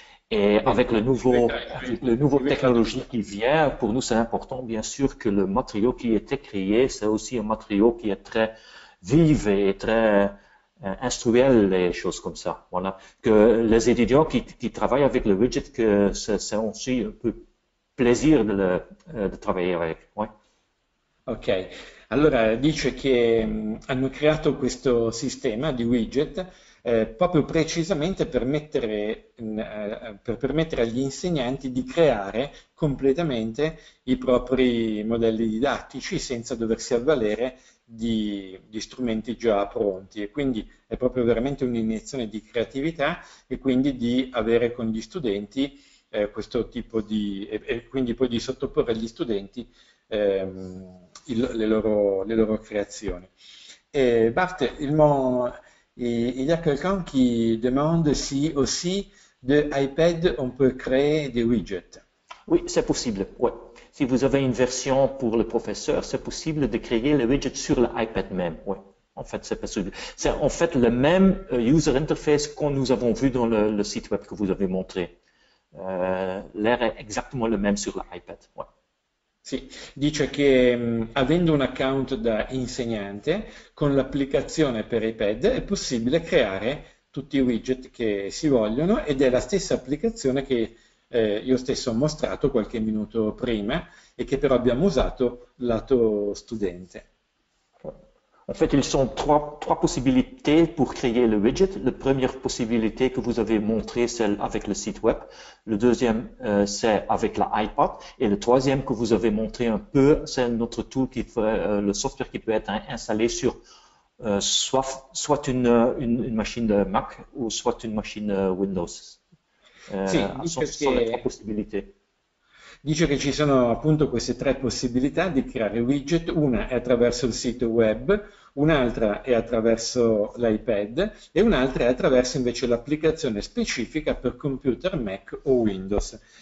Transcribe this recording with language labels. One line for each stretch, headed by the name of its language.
French: Et avec le nouveau technologie qui vient, pour nous c'est important bien sûr que le matériau qui était créé, c'est aussi un matériau qui est très vif et très instruel et choses comme ça. Voilà. Que les étudiants qui travaillent avec le widget, que c'est aussi un peu plaisir de travailler avec. Ouais. Ok.
Italian: Allora, dice che hanno creato questo sistema di widget proprio precisamente per permettere agli insegnanti di creare completamente i propri modelli didattici senza doversi avvalere di strumenti già pronti. E quindi è proprio veramente un'iniezione di creatività e quindi di avere con gli studenti questo tipo di... e quindi poi di sottoporre agli studenti le loro creazioni.
French: Bart, il y a quelqu'un qui demande si aussi de iPad on peut créer des widgets. Oui, c'est possible. Ouais. Si vous avez une version pour le professeur, c'est possible de créer le widget sur l'iPad même. Ouais. En fait, c'est possible. C'est en fait le même user interface que nous avons vu dans le site web que vous avez montré. L'air est exactement le même sur l'iPad. Ouais.
Italian: Sì, dice che avendo un account da insegnante, con l'applicazione per iPad è possibile creare tutti i widget che si vogliono ed è la stessa applicazione che io stesso ho mostrato qualche minuto prima e che però abbiamo usato lato studente.
French: En fait, ils sont trois possibilités pour créer le widget. La première possibilité que vous avez montré, c'est avec le site web. Le deuxième, c'est avec l'iPad. Et le troisième que vous avez montré un peu, c'est notre tool qui fait, le software qui peut être installé sur soit une machine de Mac ou soit une machine Windows.
Italian: Si,
French: sont les trois possibilités.
Italian: Dice che ci sono appunto queste tre possibilità di creare widget, una è attraverso il sito web, un'altra è attraverso l'iPad e un'altra è attraverso invece l'applicazione specifica per computer Mac o Windows.